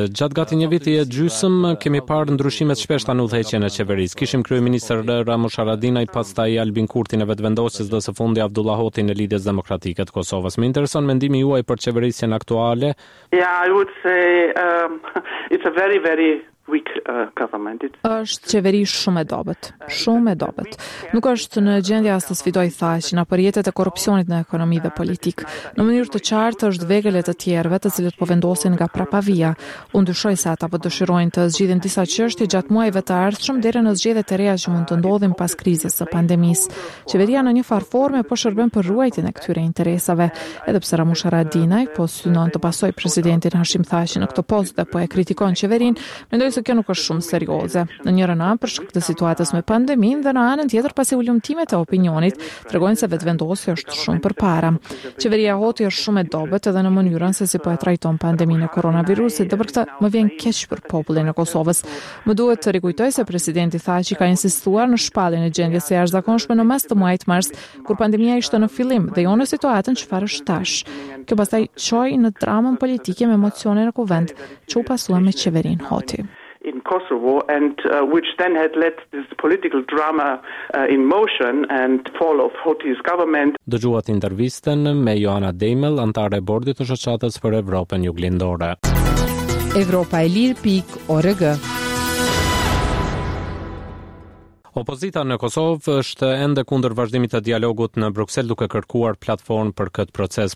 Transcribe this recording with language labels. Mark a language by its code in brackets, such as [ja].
[sq] Gjatë gati një viti e gjysëm kemi parë ndryshime të shpeshta në udhëheqje në qeverisë. Kishim kryeministër Ramush Haradinaj, pastaj Albin Kurti në vetëvendosjes dhe së fundi Abdullah Hoti në Lidhjes Demokratike të Kosovës. Më intereson mendimi juaj për qeverisjen aktuale. [en] Yeah, I would say it's a very very weak government. [sq] Është qeveri shumë e dobët, shumë e dobët. Nuk është në gjendje as të sfidoj thashin apo rjetet e korrupsionit në ekonomi dhe politik. Në mënyrë të qartë është vegël e të tjerëve, të cilët po vendosin nga prapavia. Unë dyshoj se ata po dëshirojnë të zgjidhin disa çështje gjatë muajve të ardhshëm deri në zgjedhjet e reja që mund të ndodhin pas krizës së pandemisë. Qeveria në një farë forme po shërben për ruajtjen e këtyre interesave, edhe pse Ramush Haradinaj po synon të pasojë presidentin Hashim Thaçi në këtë post dhe po e kritikon qeverinë. Mendoj se kjo nuk është shumë serioze. Në njërën anë për shkak të situatës me pandeminë dhe në anën tjetër pasi ulumtimet e opinionit tregojnë se vetëvendosja është shumë përpara. Qeveria Hoti është shumë e dobët edhe në mënyrën se si po e trajton pandeminë e koronavirusit, dhe për këtë më vjen keq për popullin e Kosovës. Më duhet të rikujtoj se presidenti Thaçi ka insistuar në shpalljen e gjendjes së jashtëzakonshme në mes të muajit mars, kur pandemia ishte në fillim dhe jo në situatën çfarë është tash. Kjo pastaj çoi në dramën politike me emocione në kuvend që u pasua me qeverinë Hoti. [en] in Kosovo, and which then had led this political drama in motion and fall of Hoti's government. [sq] Dëgjuat intervistën me Joana Demel, antare e bordit të shoqatës për Evropën Juglindore. Evropaelir.org. Opozita në Kosovë është ende kundër vazhdimit të dialogut në Bruxelles duke kërkuar platformë për këtë proces.